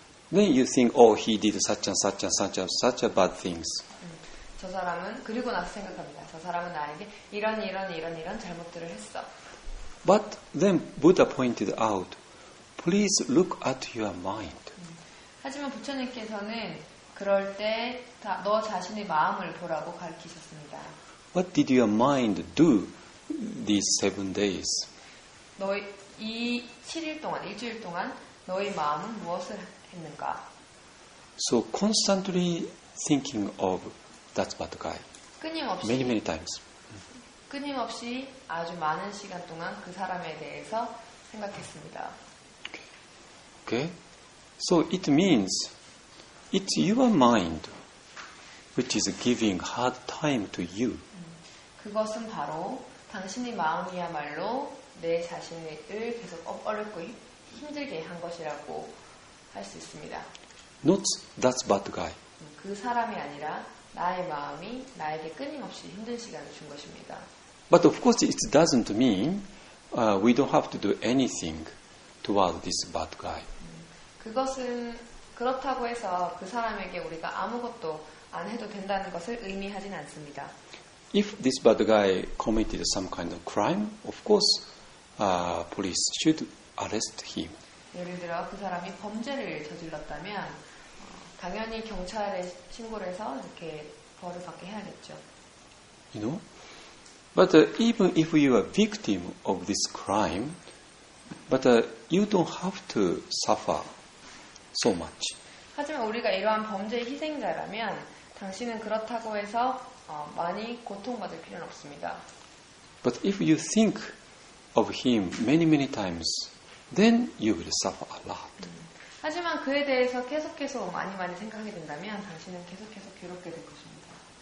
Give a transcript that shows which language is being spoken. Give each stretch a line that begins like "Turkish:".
English: Then you think, oh, he did such and such and such and such a bad things.
Korean: 저 사람은 그리고 나서 생각합니다. 저 사람은 나에게 이런 잘못들을 했어.
English: But then Buddha pointed out. Please look at your mind.
Korean: 하지만 부처님께서는 그럴 때 너 자신의 마음을 보라고 가르치셨습니다.
English: What did your mind do these seven days?
Korean: 너 이 7일 동안, 일주일 동안 너희 마음은 무엇을 했는가?
English: So constantly thinking of that bad guy.
Korean: 끊임없이
English: many many times.
Korean: 끊임없이 아주 많은 시간 동안 그 사람에 대해서 생각했습니다.
English: Okay. So it means it's your mind which is giving hard time to you.
Korean: 그것은 바로 당신의 마음이야말로 내 자신을 계속 어렵고 힘들게 한 것이라고 할 수 있습니다.
English: Not that bad guy.
Korean: 그 사람이 아니라 나의 마음이 나에게 끊임없이 힘든 시간을 준 것입니다.
English: But of course it doesn't mean we don't have to do anything toward this bad guy.
Korean: 그것은 그렇다고 해서 그 사람에게 우리가 아무것도 안 해도 된다는 것을 의미하진 않습니다.
English: If this bad guy committed some kind of crime, of course, police should arrest him.
Korean: 예를 들어 그 사람이 범죄를 저질렀다면 당연히 경찰에 신고를 해서 이렇게 벌을 받게 해야겠죠.
English: You know? But even if you are a victim of this crime, but you don't have to suffer so much.
Korean: 하지만 우리가 이러한 범죄의 희생자라면 당신은 그렇다고 해서 많이 고통받을 필요는 없습니다.
English: But if you think of him many many times, then you will suffer a lot.
Korean: 하지만 그에 대해서 계속해서 많이 많이 생각하게 된다면 당신은 계속해서 괴롭게 될 것입니다.